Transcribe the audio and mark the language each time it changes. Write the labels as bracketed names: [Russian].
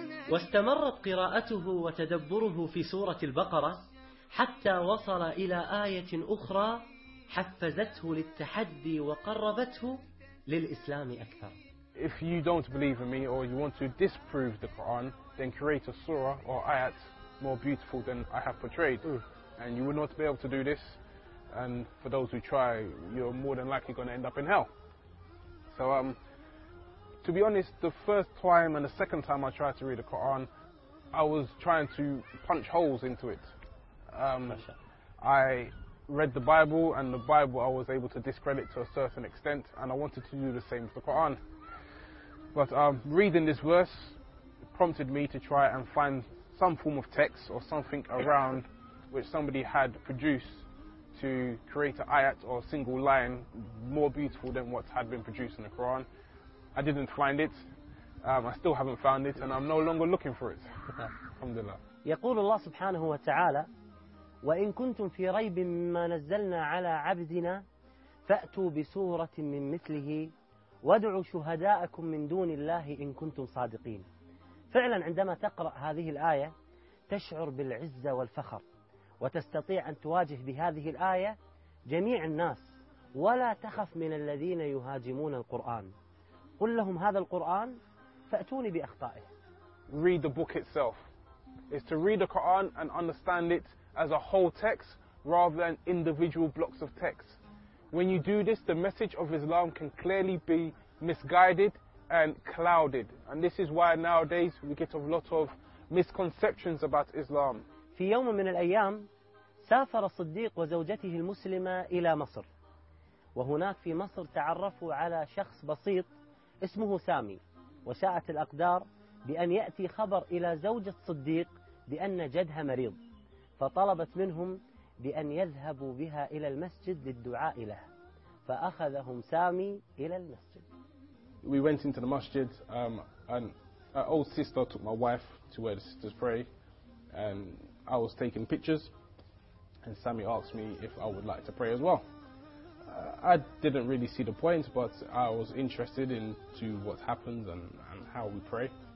[Arabic] واستمرت قراءته وتدبره في سورة البقرة حتى وصل إلى آية أخرى حفزته للتحدي وقربته للإسلام أكثر. [English] If you don't believe in me or you want to disprove the Quran, then create a surah or ayat more beautiful than I have portrayed. And you will not be able to do this. And for those who try, you're more than likely going to end up in hell. So to be honest, the first time and the second time I tried to read the Quran, I was trying to punch holes into it. I read the Bible, and the Bible I was able to discredit to a certain extent, and I wanted to do the same with the Quran. But reading this verse prompted me to try and find some form of text or something around which somebody had produced to create an ayat or a single line more beautiful than what had been produced in the Quran. I didn't find it. I still haven't found it, and I'm no longer looking for it. Alhamdulillah. [Arabic] يقول الله سبحانه وتعالى وإن كنتم في ريب مما نزلنا على عبدنا فأتوا بسورة من مثله وادعوا شهداءكم من دون الله إن كنتم صادقين. فعلا عندما تقرأ هذه الآية تشعر بالعزة والفخر وتستطيع أن تواجه بهذه الآية جميع الناس ولا تخف من الذين يهاجمون القرآن. قل لهم هذا القرآن فأتوني بأخطائه. [English] Read the book itself. It's to read the Quran and understand it as a whole text rather than individual blocks of text. When you do this, the message of Islam can clearly be misguided and clouded. And this is why nowadays we get a lot of misconceptions about Islam. [Arabic] في يوم من الأيام سافر الصديق وزوجته المسلمة إلى مصر. وهناك في مصر تعرفوا على شخص بسيط اسمه سامي. وشاءت الأقدار بأن يأتي خبر إلى زوجة الصديق بأن جدها مريض. فطلبت منهم بأن يذهبوا بها إلى المسجد للدعاء له. فأخذهم سامي إلى المسجد. [English] We went into the masjid and an old sister took my wife to where the sisters pray, and I was taking pictures, and Sammy asked me if I would like to pray as well. I didn't really see the point, but I was interested in to what happens and how we pray.